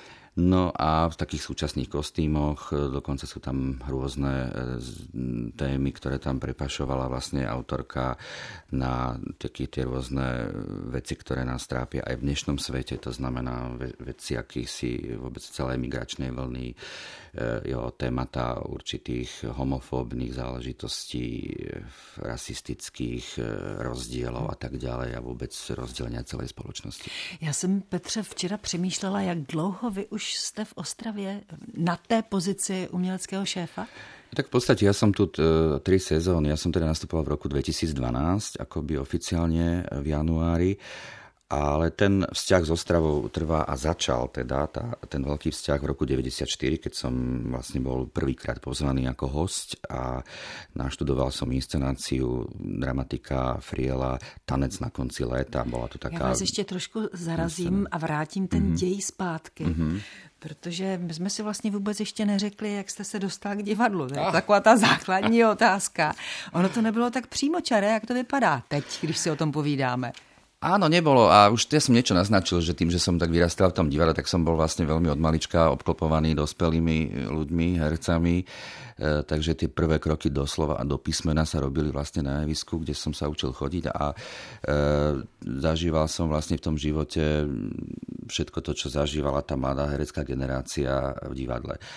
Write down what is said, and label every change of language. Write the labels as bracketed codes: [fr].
[sk] No a v takých súčasných kostýmoch dokonca sú tam rôzne témy, ktoré tam prepašovala vlastne autorka na také tie rôzne veci, ktoré nás trápia aj v dnešnom svete. To znamená veci, aký si vôbec celé migračné vlny, jo, témata určitých homofóbnych záležitostí, rasistických rozdielov a tak ďalej a vôbec rozdelenia celej spoločnosti. Ja som, [cs] Petře, včera přemýšlela, jak dlouho vy už ste v Ostravě na té pozici uměleckého šéfa? [sk] Tak v podstate ja som tu 3 sezóny. Ja som teda nastupoval v roku 2012, akoby oficiálne v januári. Ale ten vzťah s Ostravou trvá a začal teda ten veľký vzťah v roku 1994, keď som vlastne bol prvýkrát pozvaný ako hosť a naštudoval som inscenáciu dramatika Friela Tanec na konci léta. Bola to taká... Ja vás ešte trošku zarazím a vrátim ten dej zpátky. [cs] Protože my jsme si vlastně vůbec ještě neřekli, jak jste se dostal k divadlu. To je taková ta základní otázka. Ono to nebylo tak přímočaré, jak to vypadá teď, když si o tom povídáme. [sk] Áno, nebolo. A už ja som niečo naznačil, že tým, že som tak vyrastal v tom divadle, tak som bol vlastne veľmi od malička obklopovaný dospelými ľuďmi, hercami. Takže tie prvé kroky do slova a do písmena sa robili vlastne na javisku, kde som sa učil chodiť. A zažíval som vlastne v tom živote všetko to, čo zažívala tá mladá herecká generácia v divadle.